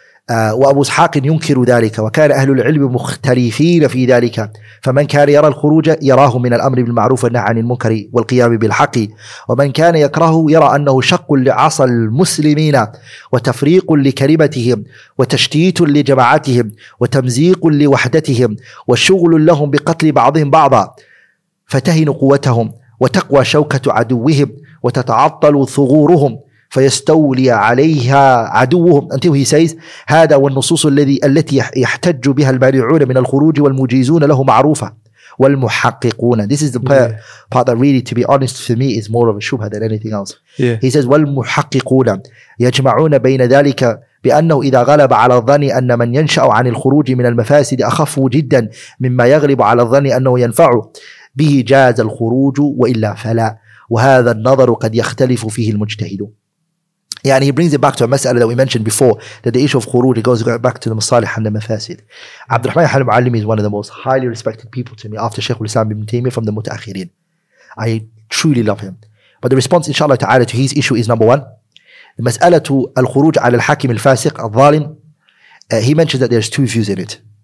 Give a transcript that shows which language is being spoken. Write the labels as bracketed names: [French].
[Arabic] وأبو إسحاق ينكر ذلك, وكان أهل العلم مختلفين في ذلك, فمن كان يرى الخروج يراه من الأمر بالمعروف والنهي عن المنكر والقيام بالحق, ومن كان يكرهه يرى أنه شق لعصى المسلمين وتفريق لكلمتهم وتشتيت لجماعتهم وتمزيق لوحدتهم وشغل لهم بقتل بعضهم بعضا فتهن قوتهم وتقوى شوكة عدوهم وتتعطل ثغورهم فيستولي عليها عدوهم. [English] Until he says, [Arabic] هذا والنصوص التي يحتج بها المانعون من الخروج والمجيزون له معروفة والمحققون. [English] This is the part that really, to be honest, for me is more of a shubha than anything else. Yeah. He says [Arabic] والمحققون يجمعون بين ذلك بأنه إذا غلب على الظن أن من ينشأ عن الخروج من المفاسد أخف جدا مما يغلب على الظن أنه ينفع به جاز الخروج وإلا فلا وهذا النظر قد يختلف فيه المجتهدون. [English] Yeah, and he brings it back to a mas'ala that we mentioned before, that the issue of khuruj, it goes back to the masalih and the mafasid. Abdurrahman al-Mu'allimi is one of the most highly respected people to me after Shaykh al-Islam ibn Taymiyyah from the Mutaakhirin. I truly love him. But the response, inshallah ta'ala, to his issue is number one, the mas'ala to al-khuruj ala al-hakim al-fasiq al-zalim, he mentions that there's two views in it.